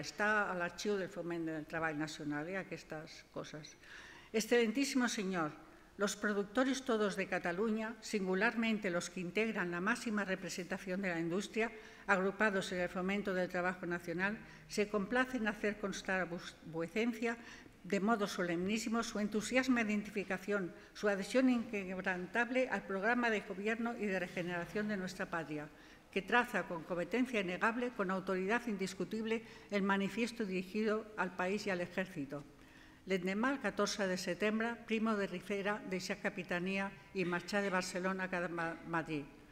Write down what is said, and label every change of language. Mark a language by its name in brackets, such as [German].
[Catalan] Està a l'arxiu del Foment del Treball Nacional i aquestes coses. [Spanish] Excelentísimo señor, los productores todos de Cataluña, singularmente los que integran la máxima representación de la industria, agrupados en el Fomento del Trabajo Nacional, se complacen hacer constar a vuecencia de modo solemnísimo su entusiasmo de identificación, su adhesión inquebrantable al programa de gobierno y de regeneración de nuestra patria, que traza con competencia innegable, con autoridad indiscutible, el manifiesto dirigido al país y al ejército. [Catalan] L'endemà, el 14 de setembre, Primo de Rivera deixà capitania i marxà de Barcelona a Madrid.